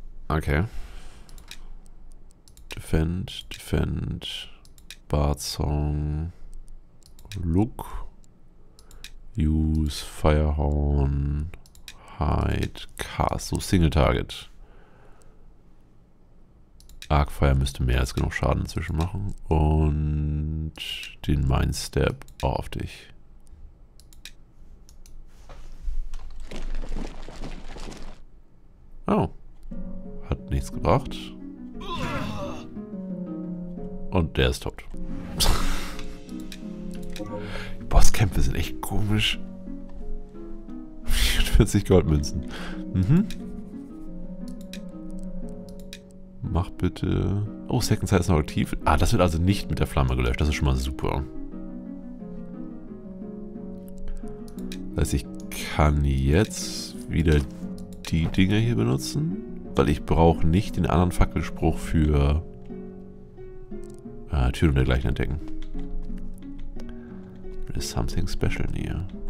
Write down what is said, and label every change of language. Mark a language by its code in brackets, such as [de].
[en] Okay. Defend, defend, Bardsong, look, use, firehorn, hide, cast, so single target. [de] Arcfire müsste mehr als genug Schaden inzwischen machen. Und den Mindstep auf dich. Oh. Hat nichts gebracht. Und der ist tot. Die Bosskämpfe sind echt komisch. 44 Goldmünzen. Mhm. Mach bitte. Oh, Second Sight ist noch aktiv. Ah, das wird also nicht mit der Flamme gelöscht. Das ist schon mal super. Das heißt, ich kann jetzt wieder die Dinger hier benutzen. Weil ich brauche nicht den anderen Fackelspruch für Türen dergleichen entdecken. [en] There is something special near.